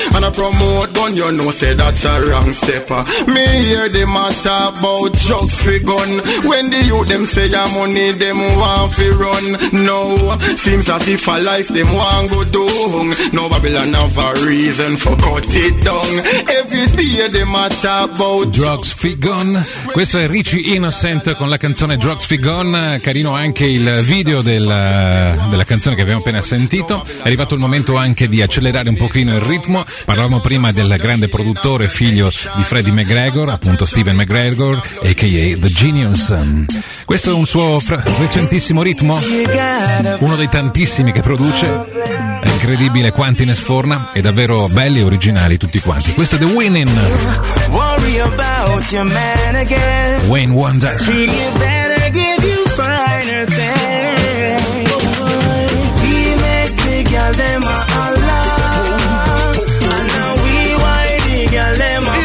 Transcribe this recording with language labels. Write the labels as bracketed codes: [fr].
[en] And I promote gun you know say that's a wrong stepper. Me hear the matter about drugs fi gun. When the youth them say your money them want fi run. No, seems as if a life them want go down. No Babylon have a reason for cut it down. Every day Drugs Free Gone. [it] Questo è Richie Innocent con la canzone Drugs Free Gone. Carino anche il video della canzone che abbiamo appena sentito. È arrivato il momento anche di accelerare un pochino il ritmo. Parlavamo prima del grande produttore, figlio di Freddie McGregor, appunto Steven McGregor, a.k.a. The Genius. Questo è un suo recentissimo ritmo, uno dei tantissimi che produce. È incredibile quanti ne sforna, e davvero belli e originali tutti quanti. Questo è The Winning. [en] Worry about your man again. Wayne Wonder. Treat you better, give you finer things. He make the girl them all along. And now we white the girl them